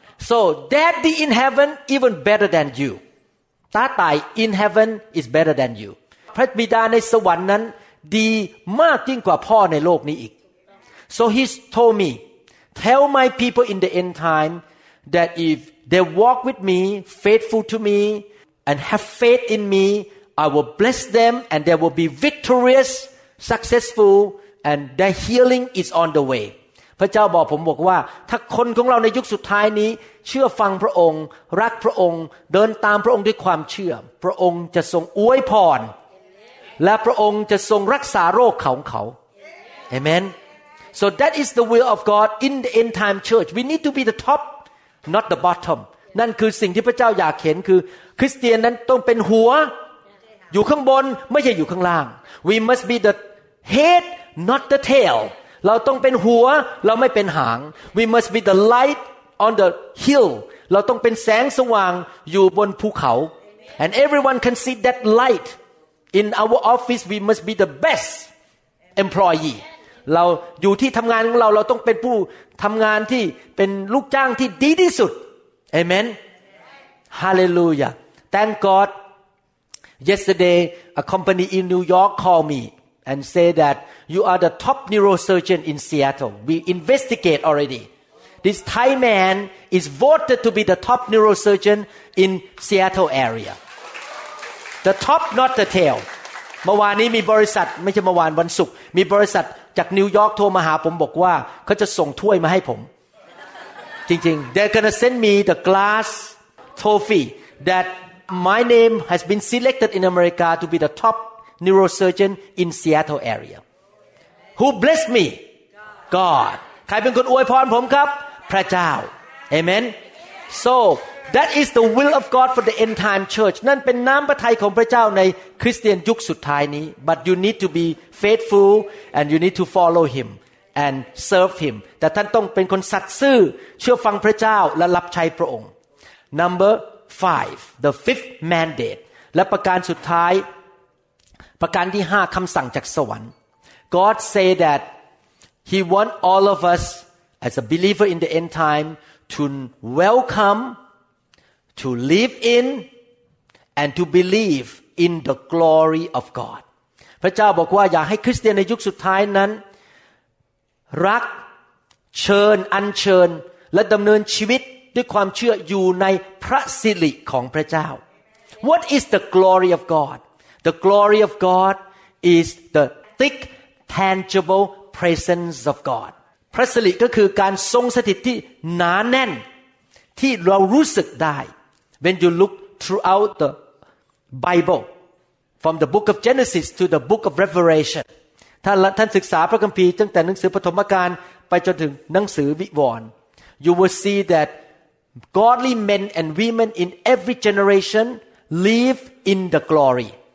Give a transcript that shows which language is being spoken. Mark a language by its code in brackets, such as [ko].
[en] So daddy in heaven even better than you ตาตาย in heaven is better than you [th] พระบิดาในสวรรค์นั้นดีมากยิ่งกว่าพ่อในโลกนี้อีก [en] So he told meTell my people in the end time that if they walk with me, faithful to me, and have faith in me, I will bless them and they will be victorious, successful, and their healing is on the way. [th] พระเจ้าบอกผมบอกว่าถ้าคนของเราในยุคสุดท้ายนี้เชื่อฟังพระองค์รักพระองค์เดินตามพระองค์ด้วยความเชื่อพระองค์จะทรงอวยพรและพระองค์จะทรงรักษาโรคของเขา Amen. [en] So that is the will of God in the end time church. We need to be the top, not the bottom. [th] นั่นคือสิ่งที่พระเจ้าอยากเห็นคือคริสเตียนนั้นต้องเป็นหัวอยู่ข้างบนไม่ใช่อยู่ข้างล่าง [en] We must be the head, not the tail. [th] เ เราต้องเป็นหัวเราไม่เป็นหาง [en] We must be the light on the hill [th] เราต้องเป็นแสงสว่างอยู่บนภูเขา [en] And everyone can see that light In our office we must be the best employee [th] เราอยู่ที่ทำงานของเราเราต้องเป็นผู้ทำงานที่เป็นลูกจ้างที่ดีที่สุด [en] Amen Hallelujah Thank GodYesterday, a company in New York called me and said that you are the top neurosurgeon in Seattle. We investigate already. This Thai man is voted to be the top neurosurgeon in Seattle area. The top, not the tail. [th] เมื่อวานนี้มีบริษัทไม่ใช่เมื่อวานวันศุกร์มีบริษัทจากนิวยอร์กโทรมาหาผมบอกว่าเขาจะส่งถ้วยมาให้ผมจริงๆ [en] They're gonna send me the glass trophy thatMy name has been selected in America to be the top neurosurgeon in Seattle area. Who blessed me? God. [th] ใครเป็นคนอวยพรผมครับ พระเจ้า Amen. [en] So that is the will of God for the end time church. [th] นั่นเป็นน้ำพระทัยของพระเจ้าในคริสเตียนยุคสุดท้ายนี้ [en] But you need to be faithful and you need to follow Him and serve Him. [th] แต่ท่านต้องเป็นคนสัตย์ซื่อเชื่อฟังพระเจ้าและรับใช้พระองค์ Number. [en] 5 the fifth mandate [th] และประการสุดท้ายประการที่5คำสั่งจากสวรรค์ [en] God say that he want all of us as a believer in the end time to welcome to live in and to believe in the glory of God [th] พระเจ้าบอกว่าอยากให้คริสเตียนในยุคสุดท้ายนั้น รักเชิญอัญเชิญและดำเนินชีวิตด้วยความเชื่ออยู่ในพระสิริของพระเจ้า [en] What is the glory of God? The glory of God is the thick, tangible presence of God. [th] พระสิริก็คือการทรงสถิตที่หนาแน่นที่เรารู้สึกได้ [en] When you look throughout the Bible, from the book of Genesis to the book of Revelation, [th] ท่านศึกษาพระคัมภีร์ตั้งแต่หนังสือปฐมกาลไปจนถึงหนังสือวิวรณ์ [en] You will see thatGodly men and women in every generation live in the glory.